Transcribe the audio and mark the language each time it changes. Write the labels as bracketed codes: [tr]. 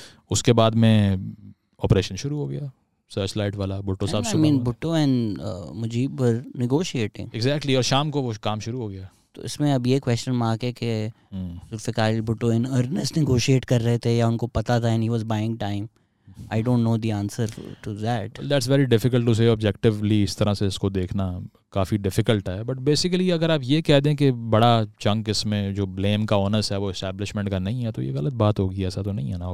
[ur] اس کے بعد میں آپریشن شروع ہو گیا سرچ لائٹ والا, بھٹو صاحب سے [en] Bhutto and Mujib were negotiating [ur] exactly, اور شام کو وہ کام شروع ہو گیا. تو اس میں اب یہ کوشچن مارک ہے کہ ذوالفقار علی بھٹو [en] in earnest [ur] نیگوشیٹ کر رہے تھے یا ان کو پتا تھا [en] And he was buying time. I don't know the answer to that. Well, that's very difficult to say objectively. [ur] اس طرح سے اس کو دیکھنا کافی ڈیفیکلٹ ہے, بٹ بیسیکلی اگر آپ یہ کہہ دیں کہ بڑا چنک اس میں جو بلیم کا اونس ہے وہ اسٹیبلشمنٹ کا نہیں ہے تو یہ غلط بات ہوگی, ایسا تو نہیں ہے نا.